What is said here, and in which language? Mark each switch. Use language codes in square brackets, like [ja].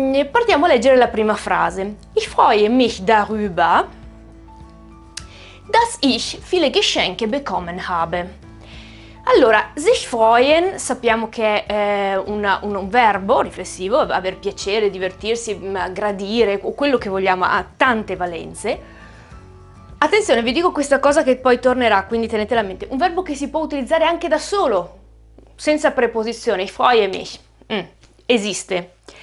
[it] Partiamo a leggere la prima frase. [de] Ich freue mich darüber, dass ich viele Geschenke bekommen habe. [it] Allora, sich freuen, sappiamo che è un verbo riflessivo, aver piacere, divertirsi, gradire, o quello che vogliamo, ha tante valenze. Attenzione, vi dico questa cosa che poi tornerà, quindi tenetela a mente. Un verbo che si può utilizzare anche da solo, senza preposizione. [de] Ich freue mich. [it] Esiste.